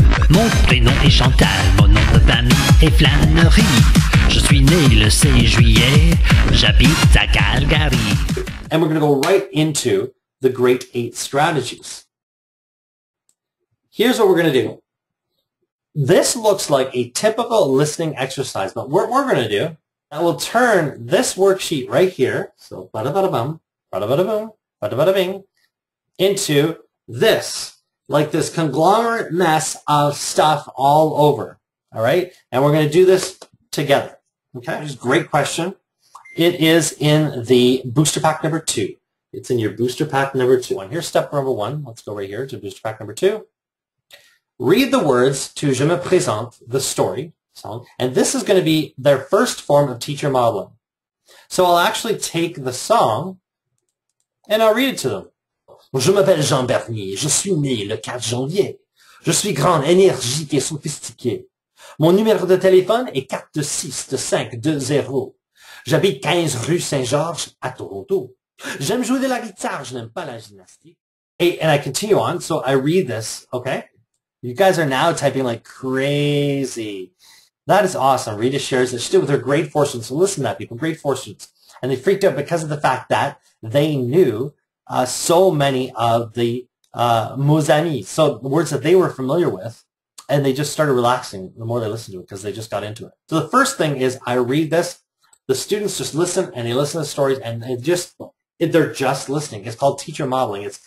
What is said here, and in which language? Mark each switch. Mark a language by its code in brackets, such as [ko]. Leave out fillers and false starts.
[fr] Mon prénom est Chantal, mon nom de famille est Flannery. Je suis né le 6 juillet, j'habite à Calgary. [en] And we're going to go right into the great eight strategies. Here's what we're going to do. This looks like a typical listening exercise, but what we're going to do, I will turn this worksheet right here, so bada bada bum, bada bada boom, bada bada bing, into this. Like this conglomerate mess of stuff all over. All right. And we're going to do this together. Okay. Which is a great question. It is in the booster pack number two. It's in your booster pack number two. And here's step number one. Let's go right here to booster pack number two. Read the words to Je me présente, the story song. And this is going to be their first form of teacher modeling. So I'll actually take the song and I'll read it to them. [fr] Je m'appelle Jean Bernier, je suis né le 4 janvier. Je suis grand, énergique et sophistiqué. Mon numéro de téléphone est 426-520. J'habite 15 rue Saint-Georges à Toronto. J'aime jouer de la guitare, je n'aime pas la gymnastique. [en] Hey, and I continue on, so I read this, okay? You guys are now typing like crazy. That is awesome. Rita shares that she did with her grade 4 students. So listen to that, people, grade 4 students. And they freaked out because of the fact that they knew so many of the mots amis, so the words that they were familiar with, and they just started relaxing the more they listened to it because they just got into it. So the first thing is I read this, the students just listen and they listen to the stories and they're just listening. It's called teacher modeling.